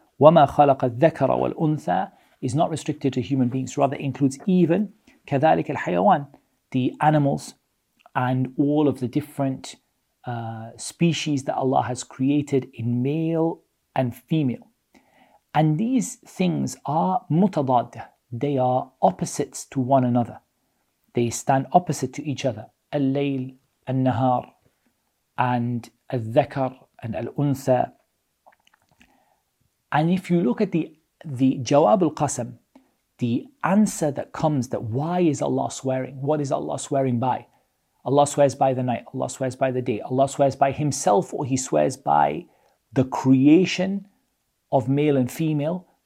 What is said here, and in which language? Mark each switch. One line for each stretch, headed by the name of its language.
Arabic: وَمَا خَلَقَ الذَّكَرَ وَالْأُنْثَى
English: is not restricted to human beings, rather includes even
Arabic: كَذَلِكَ الْحَيَوَانِ
English: the animals and all of the different species that Allah has created in male and female. And these things are متضادة, they are opposites to one another. They stand opposite to each other.
Arabic: اللَّيْل النهار and الذكر and الأنثى.
English: And if you look at the جواب القسم, the answer that comes, that why is Allah swearing? What is Allah swearing by? Allah swears by the night, Allah swears by the day, Allah swears by himself, or he swears by the creation of male and female.